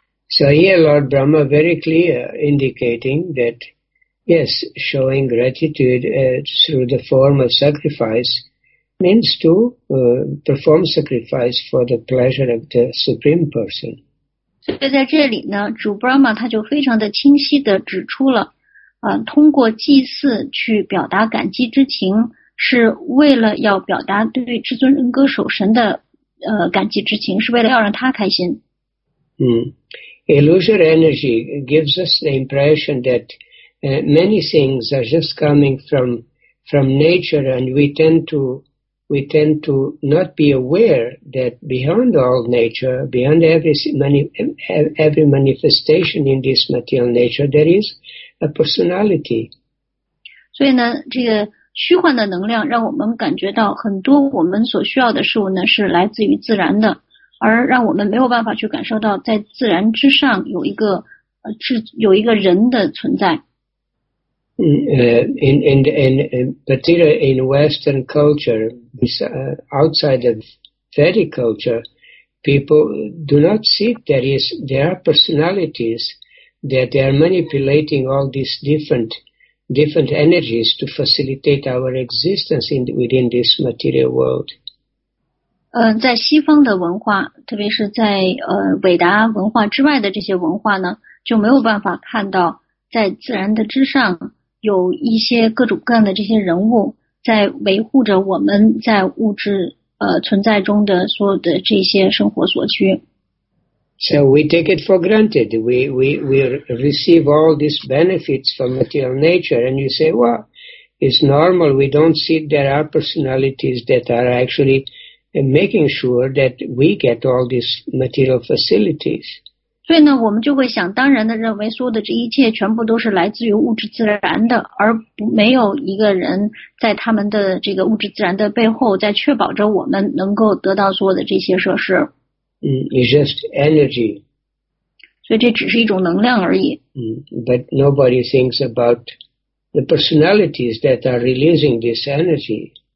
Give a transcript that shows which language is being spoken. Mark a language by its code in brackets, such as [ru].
[en] So here Lord Brahma very clear indicating that yes, showing gratitude through the form of sacrifice means to perform sacrifice for the pleasure of the Supreme Person. [zh] 所以在这里呢，主 Brahma 他就非常的清晰地指出了，通过祭祀去表达感激之情，是为了要表达对至尊人格守神的感激之情，是为了要让他开心。 [en] Illusory energy gives us the impression that many things are just coming from nature, and we tend to we tend to not be aware that beyond all nature, beyond every manifestation in this material nature, there is a personality. [zh] 所以呢，这个虚幻的能量让我们感觉到很多我们所需要的事物呢是来自于自然的，而让我们没有办法去感受到在自然之上有一个有一个人的存在。 [en] In particular in Western culture, outside of Vedic culture, people do not see there are personalities that they are manipulating all these different energies to facilitate our existence within this material world. [zh] 在西方的文化，特别是在伟达文化之外的这些文化呢，就没有办法看到在自然的之上有一些各种各样的这些人物在维护着我们在物质存在中的所有的这些生活所需。 [en] So we take it for granted. We receive all these benefits from material nature, and you say, well, it's normal. We don't see there are personalities that are actually making sure that we get all these material facilities. [zh] 所以呢，我们就会想当然的认为，所有的这一切全部都是来自于物质自然的，而没有一个人在他们的这个物质自然的背后，在确保着我们能够得到所有的这些设施。 [en] It's just energy. [zh] 所以这只是一种能量而已。 [en] But nobody thinks about the personalities that are releasing this energy.